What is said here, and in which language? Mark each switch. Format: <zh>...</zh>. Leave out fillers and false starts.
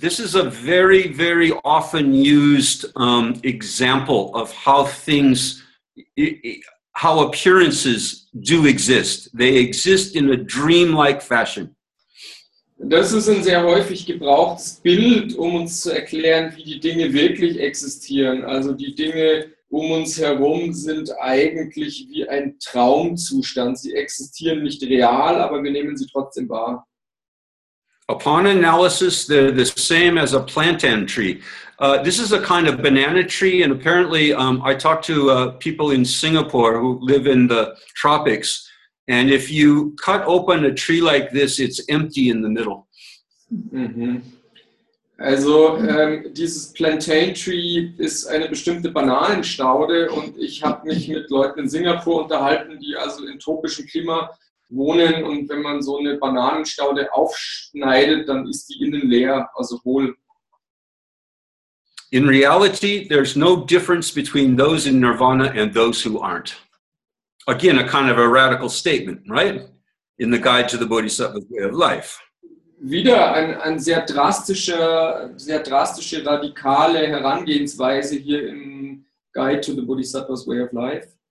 <en>This is a very, very often used example of how things, how appearances do exist. They exist in a dreamlike fashion.</en> <de>Das ist ein sehr häufig gebrauchtes Bild, um uns zu erklären, wie die Dinge wirklich existieren. Also die Dinge um uns herum sind eigentlich wie ein Traumzustand. Sie existieren nicht real, aber wir nehmen sie trotzdem wahr.</de> <en>Upon analysis, they're the same as a plantain tree. This is a kind of banana tree, and apparently I talked to people in Singapore who live in the tropics, and if you cut open a tree like this, it's empty in the middle. Mm-hmm.</en> <de>Also, dieses plantain tree ist eine bestimmte Bananenstaude, und ich habe mich mit Leuten in Singapur unterhalten, die also in tropischem Klima wohnen, und wenn man so eine Bananenstaude aufschneidet, dann ist die innen leer, also hohl.</de> <en>In reality, there's no difference between those in Nirvana and those who aren't. Again, a kind of a radical statement, right? In the Guide to the Bodhisattva's Way of Life.</en> <de>Wieder ein sehr drastische, radikale Herangehensweise hier im Guide to the Bodhisattva's Way of Life.</de>